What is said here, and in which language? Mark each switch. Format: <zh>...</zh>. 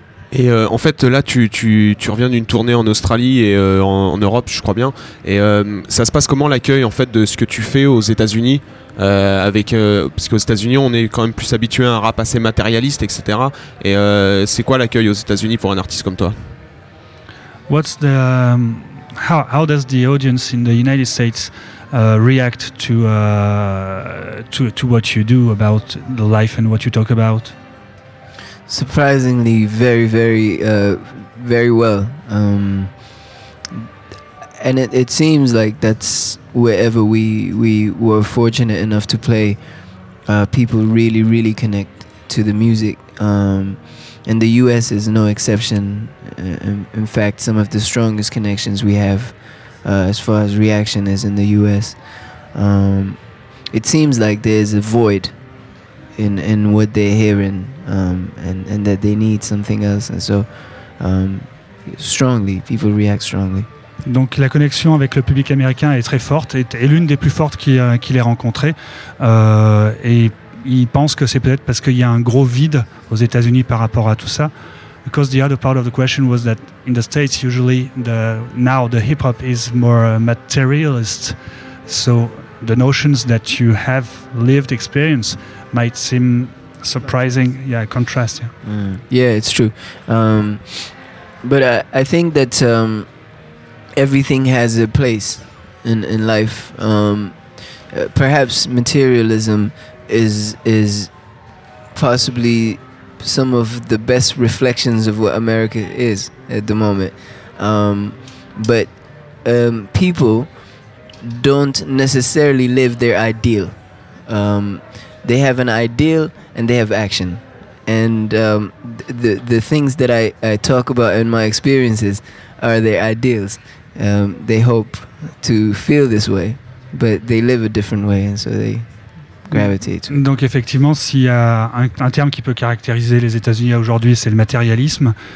<fr>Et en fait, là, tu reviens d'une tournée en Australie et en Europe, je crois bien. Et ça se passe comment, l'accueil, en fait, de ce que tu fais aux États-Unis, parce qu'aux États-Unis, on est quand même plus habitué à un rap assez matérialiste, etc. Et c'est quoi l'accueil aux États-Unis pour un artiste comme toi?</fr> <en>What's the how does the audience in the United States react to what you do about the life and what you talk about? Surprisingly, very, very, very well. And it seems like that's wherever we were fortunate enough to play, people really, really connect to the music. And the US is no exception. In fact, some of the strongest connections we have as far as reaction is in the US. It seems like there's a void in what they're hearing. And that they need something else, and so strongly, people react strongly.</en> <fr>Donc la connexion avec le public américain est très forte, est l'une des plus fortes qu'il ait rencontré, et il pense que c'est peut-être parce qu'il y a un gros vide aux États-Unis par rapport à tout ça.</fr> <en>Because the other part of the question was that in the States, usually now the hip hop is more materialist, so the notions that you have lived experience might seem surprising, yeah, contrast, yeah. Mm. Yeah, it's true. But I think that everything has a place in life. Perhaps materialism is possibly some of the best reflections of what America is at the moment. But people don't necessarily live their ideal. They have an ideal and they have action. And the things that I talk about in my experiences are their ideals. They hope to feel this way, but they live a different way, and so they gravitate.</en> <fr>Donc effectivement, s'il y a un terme qui peut caractériser les États-Unis aujourd'hui, c'est le matérialisme.</fr>